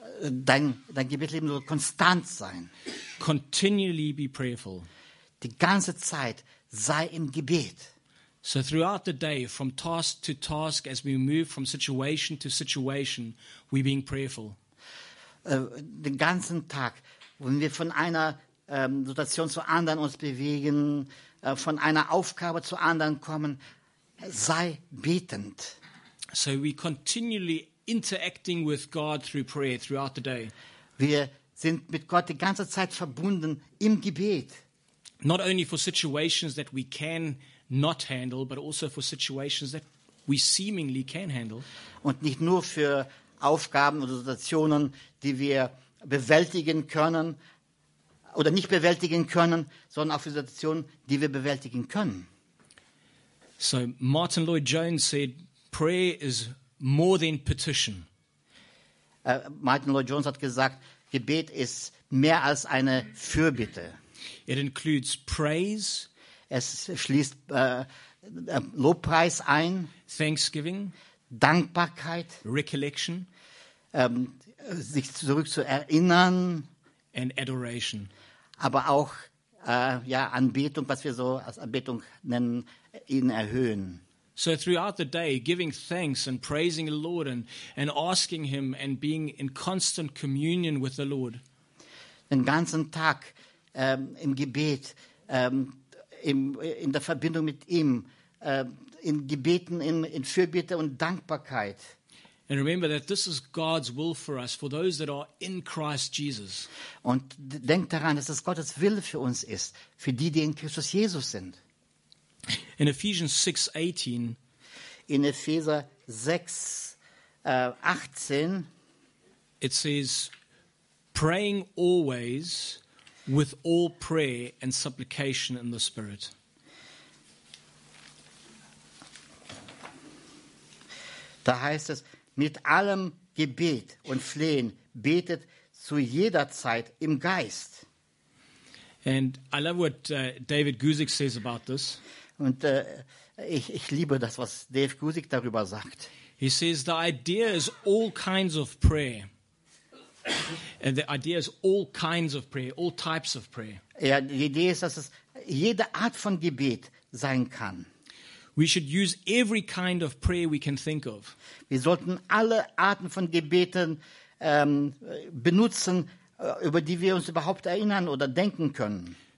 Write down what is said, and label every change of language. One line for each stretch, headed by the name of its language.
German: Dein Gebetsleben soll konstant sein.
English: Continually be prayerful.
German: Die ganze Zeit sei im Gebet.
English: So throughout the day, from task to task, as we move from situation to situation, we're being prayerful.
German: Den ganzen Tag, wenn wir von einer Situation zur anderen uns bewegen, von einer Aufgabe zur anderen kommen, sei betend.
English: So we continually interacting with God through prayer throughout the day.
German: Wir sind mit Gott die ganze Zeit verbunden im Gebet.
English: Not only for situations that we can not handle, but also for situations that we seemingly can handle.
German: Und nicht nur für Aufgaben oder Situationen, die wir bewältigen können oder nicht bewältigen können, sondern auch für Situationen, die wir bewältigen können.
English: So Martin Lloyd-Jones said, prayer is more than petition.
German: Martin Lloyd-Jones hat gesagt, Gebet ist mehr als eine Fürbitte.
English: It includes praise.
German: Es schließt Lobpreis ein.
English: Thanksgiving.
German: Dankbarkeit.
English: Recollection.
German: Sich zurück zu erinnern.
English: And adoration.
German: Aber auch Anbetung, was wir so als Anbetung nennen, ihn erhöhen.
English: So throughout the day, giving thanks and praising the Lord and asking him and being in constant communion with the Lord.
German: Den ganzen Tag im Gebet, in der Verbindung mit ihm, in Gebeten, in Fürbitte und Dankbarkeit.
English: And remember that this is God's will for us, for those that are in Christ Jesus.
German: Und denk daran, dass es Gottes Wille für uns ist, für die, die in Christus Jesus sind.
English: In Ephesians 6:18,
German: in Epheser 6, 18,
English: it says, praying always with all prayer and supplication in the Spirit.
German: Da heißt es, mit allem Gebet und Flehen betet zu jeder Zeit im Geist.
English: And I love what David Guzik says about this.
German: Und ich liebe das, was Dave Guzik darüber sagt.
English: He says, the idea is all kinds of prayer. And the idea is all kinds of prayer, all types of prayer.
German: Ja, die Idee ist, dass es jede Art von Gebet sein kann.
English: We should use every kind of prayer we can think of.
German: Wir sollten alle Arten von Gebeten benutzen, über die wir uns überhaupt erinnern oder denken können.